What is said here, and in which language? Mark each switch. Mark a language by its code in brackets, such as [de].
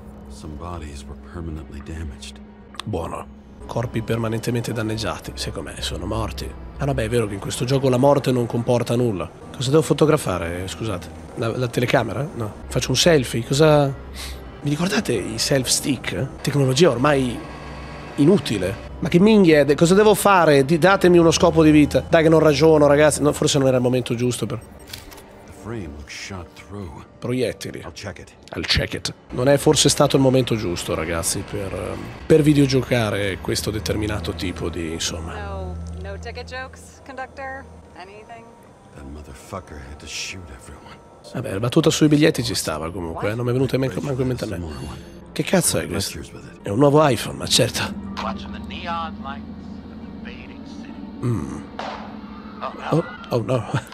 [en] Some bodies were permanently damaged. [it] Buono. Corpi permanentemente danneggiati. Secondo me sono morti. Ah vabbè, è vero che in questo gioco la morte non comporta nulla. Cosa devo fotografare? Scusate. La telecamera? No. Faccio un selfie? Cosa... Vi ricordate i self-stick? Tecnologia ormai inutile. Ma che minghia, cosa devo fare? Datemi uno scopo di vita. Dai che non ragiono, ragazzi. No, forse non era il momento giusto per... [en] The frame looks shot through. [it] Proiettili. [en] I'll check it. [it] Non è forse stato il momento giusto, ragazzi, per videogiocare questo determinato tipo di... insomma... [en] No ticket jokes, conductor? Anything? That motherfucker had to shoot everyone. [it] Vabbè, la battuta sui biglietti ci stava comunque, non mi è venuta manco in mente a me. Che cazzo è questo? È un nuovo iPhone, ma certo. Oh no.